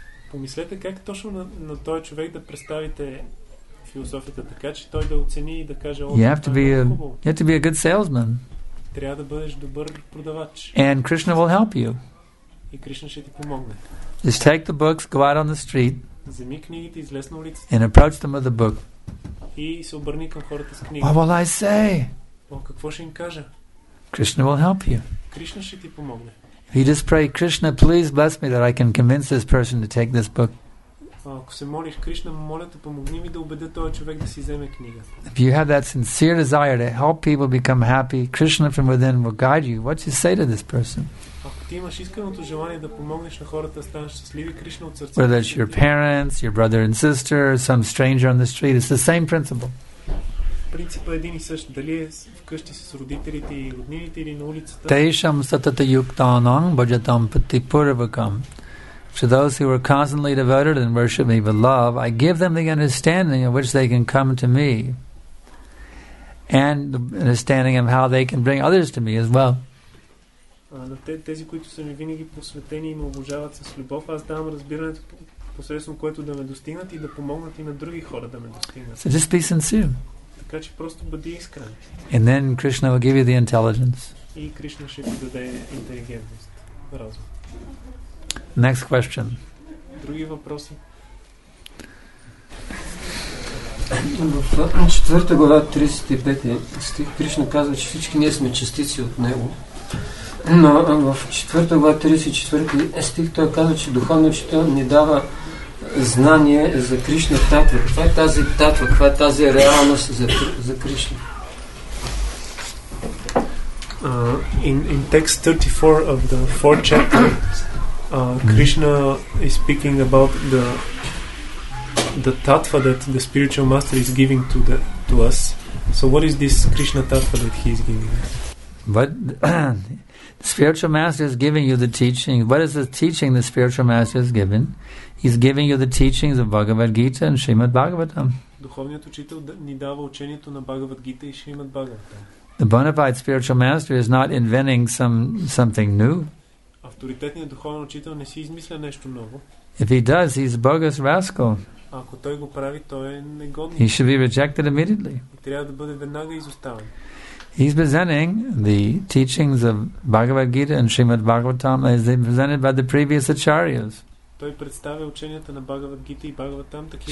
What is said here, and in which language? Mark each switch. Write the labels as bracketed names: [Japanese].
[Bulgarian] Помислете как точно на този човек да представите философията така, че той да оцени и да каже, о, [English] you have to be a good salesman. [Bulgarian] Трябва да бъдеш добър продавач. [English] And Krishna will help you. [Bulgarian] И Кришна ще ти помогне. [English] Just take the books, go out on the street, [Bulgarian] вземи книгите, излез на улицата, [English] and approach them with the book. [Bulgarian] И се обърни към хората с книги. [English] What will I say? [Bulgarian] О, какво ще им кажа? [English] Krishna will help you. [Bulgarian] Кришна ще ти помогне. [English] If you just pray, Krishna, please bless me that I can convince this person to take this book. [Bulgarian] Ако се молиш, Кришна, моля те, помогни ми да убедя този човек да си вземе книгата. [English] If you have that sincere desire to help people become happy, Krishna from within will guide you. What you say to this person? [Bulgarian] Ако ти имаш искреното желание да помогнеш на хората да станат щастливи, Кришна от сърце. [English] Whether it's your parents, your brother and sister, some stranger on the street, it's the same principle. [Bulgarian] Принципът е един и същ. Дали е вкъщи с родителите и роднините или на улицата. [Sanskrit] Тейшам сатата юктанам баджатам патипурвакам. [English] To those who are constantly devoted and worship me with love, I give them the understanding of which they can come to me, and the understanding of how they can bring others to me as well. [Bulgarian] На тези, които са ми винаги посветени и ме обожават с любов, аз давам разбирането посредством което да ме достигнат и да помогнат и на други хора да ме достигнат. [English] So just be sincere. [Bulgarian] Така че просто бъди искрен. [English] And then Krishna will give you the intelligence. [Bulgarian] И Кришна ще ви даде интелигентност, разум. [English] Next question. [Bulgarian] Други въпроси. В четвърта глава, 35 стих, Кришна казва, че всички ние сме частици от Него. Но в четвърта глава, 34 стих, той казва, че духовно учител ни дава знание за Кришна татва. Каква е тази татва? Каква е тази реалност за Кришна? [English] In text 34 of the fourth chapter, Krishna is speaking about the tattva that the spiritual master is giving to the to us. So what is this Krishna tattva that he is giving us? But the spiritual master is giving you the teaching. What is the teaching the spiritual master is giving? He's giving you the teachings of Bhagavad Gita and Srimad Bhagavatam. [Bulgarian] Духовният учител ни дава учението на Бхагавад Гита и Шримад Бхагаватам. [English] The bona fide spiritual master is not inventing something new. [Bulgarian] Авторитетният духовен учител не си измисля нещо ново. [English] If he does, he's a bogus rascal. [Bulgarian] Ако той го прави, той е негодник. [English] He should be rejected immediately. [Bulgarian] Трябва да бъде веднага изоставен. [English] He's presenting the teachings of Bhagavad Gita and Srimad Bhagavatam as they presented by the previous acharyas. [Bulgarian] Той представя ученията на Бхагавад Гита и Бхагаватам такива.